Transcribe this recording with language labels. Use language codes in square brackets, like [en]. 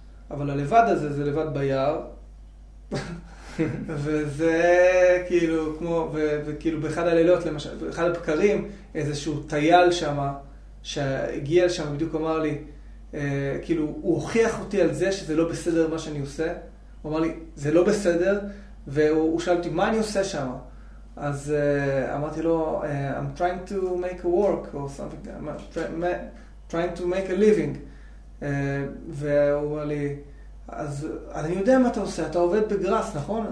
[he] אבל הלבד הזה, זה לבד ביער. וזה כאילו, כמו, וכאילו באחד הלילות, למשל, באחד הבקרים, איזשהו טייל שם, שהגיע לשם, בדיוק אמר לי, כאילו, הוא הוכיח אותי על זה שזה לא בסדר מה שאני עושה. הוא אמר לי, זה לא בסדר. והוא שאל אותי, מה אני עושה שם? אז אמרתי לו, [en] I'm trying to make a work, or something, trying to make a living. [he] והוא אמר לי, אז אני יודע מה אתה עושה, אתה עובד בגרס, נכון?